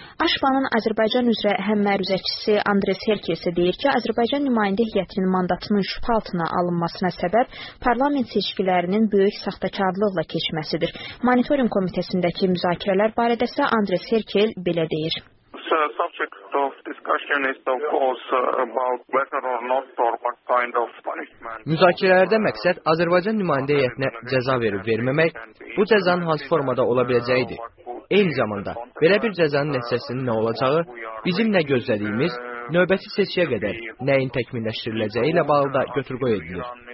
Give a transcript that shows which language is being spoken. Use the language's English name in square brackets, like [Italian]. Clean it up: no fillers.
[Azerbaijani] Aşbanın Azərbaycan üzrə həm məruzəçisi Andres Herkes deyir ki, Azərbaycan nümayəndə heyətinin mandatının şübhə altına alınmasına səbəb parlament seçkilərinin böyük saxtakarlıqla keçməsidir. Monitorinq komitəsindəki müzakirələr barədə isə Andres Herkel belə deyir. [English] The subject of discussion is of course about whether or not or what kind of punishment. [Azerbaijani] Müzakirələrdə məqsəd Azərbaycan nümayəndə heyətinə cəza verib verməmək, bu cəzanın hansı formada ola biləcəyidir. Eyni zamanda belə bir cəzanın nəticəsinin nə olacağı, bizim nə gözlədiyimiz, növbəti seçkiyə qədər nəyin təkmilləşdiriləcəyi ilə bağlı da götür-qoy edilir.